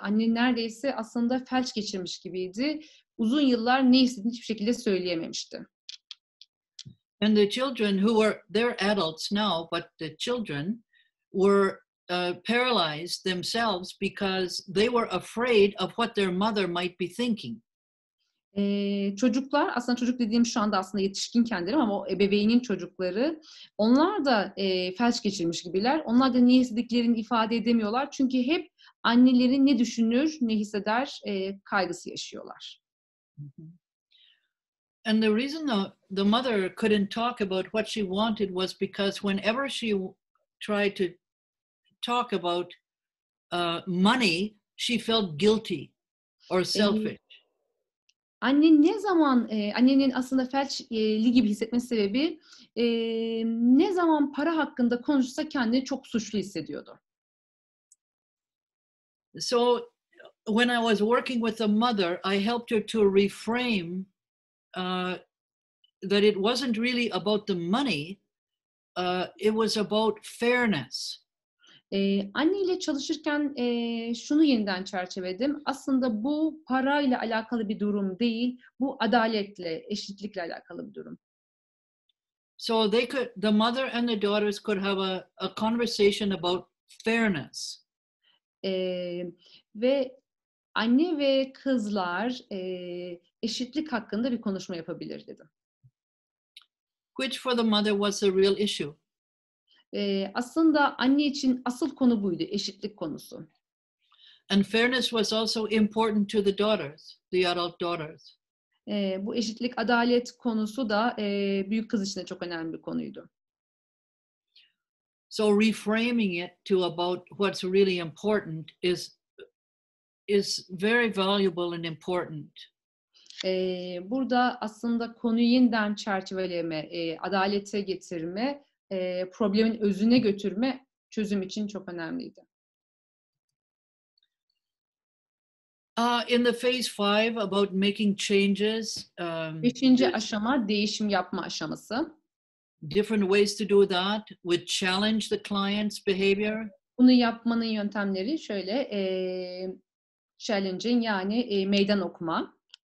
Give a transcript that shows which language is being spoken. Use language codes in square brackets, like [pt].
[tr] Anne neredeyse aslında felç geçirmiş gibiydi. Uzun yıllar ne istediğini hiçbir şekilde söyleyememişti. [en] And the children who were, they're adults now, but the children were paralyzed themselves because they were afraid of what their mother might be thinking. [tr] Çocuklar, aslında çocuk dediğim şu anda aslında yetişkin kendilerim ama o ebeveynin çocukları, onlar da felç geçirmiş gibiler. Onlar da ne istediklerini ifade edemiyorlar çünkü hep anneleri ne düşünür, ne hisseder kaygısı yaşıyorlar. [en] And the reason the mother couldn't talk about what she wanted was because whenever she tried to talk about money, she felt guilty or selfish. [tr] Anne ne zaman annenin aslında felçli gibi hissetme sebebi ne zaman para hakkında konuşsa kendini çok suçlu hissediyordu. [en] So when I was working with the mother, I helped her to reframe that it wasn't really about the money, it was about fairness. [tr] Anneyle çalışırken şunu yeniden çerçeveledim. Aslında bu parayla alakalı bir durum değil. Bu adaletle, eşitlikle alakalı bir durum. [en] So they could, the mother and the daughters could have a conversation about fairness. [tr] Ve anne ve kızlar eşitlik hakkında bir konuşma yapabilir dedim. [en] Which for the mother was a real issue. [tr] Aslında anne için asıl konu buydu, eşitlik konusu. [en] And fairness was also important to the daughters, the adult daughters. [tr] Bu eşitlik, adalet konusu da büyük kız için de çok önemli bir konuydu. [en] So reframing it to about what's really important is very valuable and important. [tr] Burada aslında konuyu yeniden çerçeveleme, adalete getirme, problemin özüne götürme çözüm için çok önemliydi. [en] In the phase 5 about making changes. [tr] Beşinci aşama değişim yapma aşaması. [en] Different ways to do that would challenge the client's behavior. [tr] Bunu yapmanın yöntemleri şöyle challenging yani meydan okuma.